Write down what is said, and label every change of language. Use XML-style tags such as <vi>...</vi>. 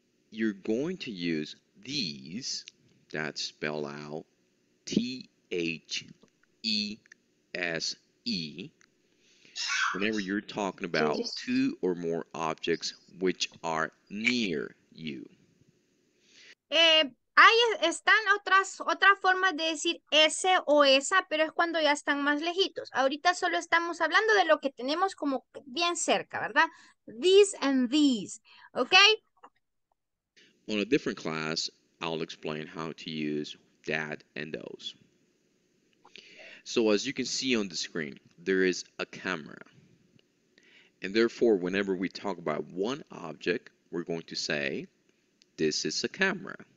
<en>You're going to use these, that spell out T-H-I-S. E-S-E, whenever you're talking about two or more objects which are near you.</en> <es>Ahí están otras formas de decir ese o esa, pero es cuando ya están más lejitos. Ahorita solo estamos hablando de lo que tenemos como bien cerca, ¿verdad?</es> <en>These and these, ¿ok? On a different class, I'll explain how to use that and those. So as you can see on the screen, there is a camera. And therefore, whenever we talk about one object, we're going to say, this is a camera.</en>